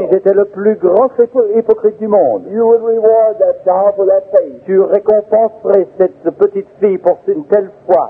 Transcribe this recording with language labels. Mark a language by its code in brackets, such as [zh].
[fr] si j'étais le plus grand hypocrite du monde, [en] you would reward that child for that faith. [fr] Tu récompenserais cette petite fille pour une telle foi.